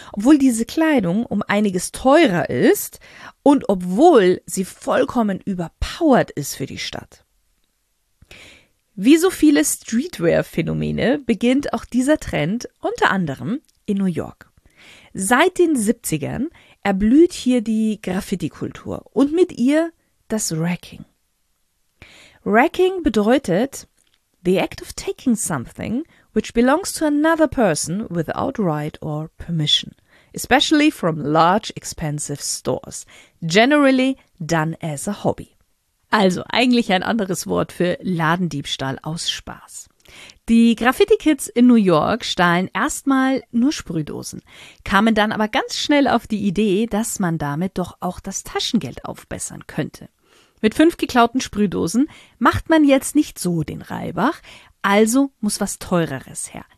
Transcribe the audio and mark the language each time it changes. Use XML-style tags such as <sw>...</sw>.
<de>Obwohl diese Kleidung um einiges teurer ist und obwohl sie vollkommen überpowered ist für die Stadt. Wie so viele Streetwear-Phänomene beginnt auch dieser Trend unter anderem in New York. Seit den 70ern erblüht hier die Graffiti-Kultur und mit ihr das Racking. Racking bedeutet</de> <en>the act of taking something which belongs to another person without right or permission, especially from large expensive stores, generally done as a hobby.</en> <de>Also eigentlich ein anderes Wort für Ladendiebstahl aus Spaß. Die Graffiti-Kids in New York stahlen erstmal nur Sprühdosen, kamen dann aber ganz schnell auf die Idee, dass man damit doch auch das Taschengeld aufbessern könnte. Mit 5 geklauten Sprühdosen macht man jetzt nicht so den Reibach, also muss was Teureres her.</de>